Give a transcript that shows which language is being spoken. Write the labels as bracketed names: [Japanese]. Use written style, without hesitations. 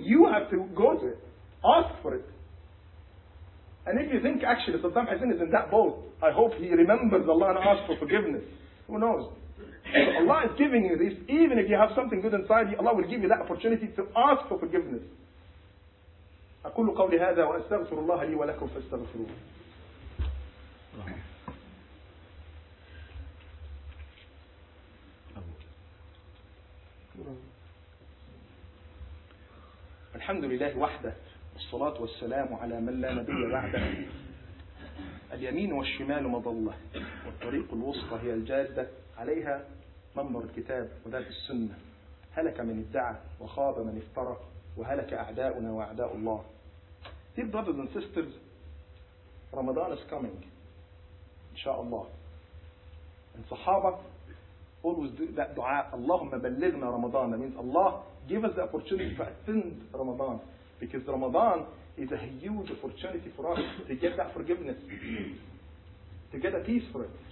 [English] You have to go to it. Ask for it. And if you think actually Saddam Hussein is in that boat, I hope he remembers Allah and asks for forgiveness. Who knows? So Allah is giving you this. Even if you have something good inside you, Allah will give you that opportunity to ask for forgiveness. [Arabic] أقول قولي هذا وأستغفر الله لي ولكم فاستغفروه. الحمد لله وحده والصلاة والسلام على من لا نبي بعده. اليمين والشمال مضلة والطريق الوسطى هي الجادة عليها منبر الكتاب وذات السنة. هلك من ادعى وخاب من افترى وهلك أعداؤنا وأعداء الله. [English] Dear brothers and sisters, Ramadan is coming, inshaAllah. And Sahaba always do that dua, [Arabic] Allahumma ballighna Ramadan. [English] That means Allah, give us the opportunity to attend Ramadan. Because Ramadan is a huge opportunity for us to get that forgiveness, to get a peace for it.